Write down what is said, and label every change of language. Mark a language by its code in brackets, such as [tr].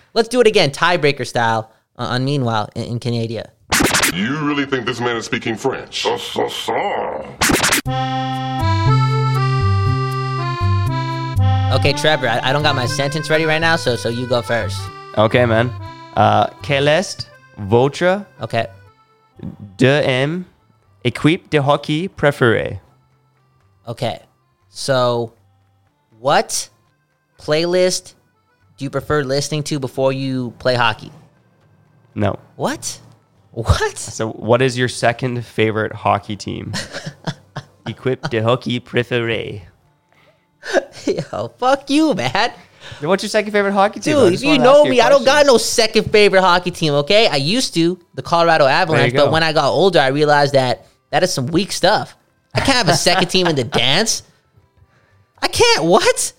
[en] Let's do it again, tiebreaker style, on Meanwhile in Canada. You really think this man is speaking French? [fr] Ça. [en] Okay, Trevor, I don't got my sentence ready right now, so you go first. Okay, man. [fr] Quel est votre [en] okay. [fr] deuxième équipe de hockey préférée? [en] Okay, so what playlist do you prefer listening to before you play hockey? No. What? What? So what is your second favorite hockey team? [fr] Équipe de hockey préférée. [en] Yo, fuck you, man. What's your second favorite hockey team? Dude, if you know me, I don't got no second favorite hockey team, okay? I used to, the Colorado Avalanche, but when I got older, I realized that that is some weak stuff. I can't have a second team in the dance. I can't, what?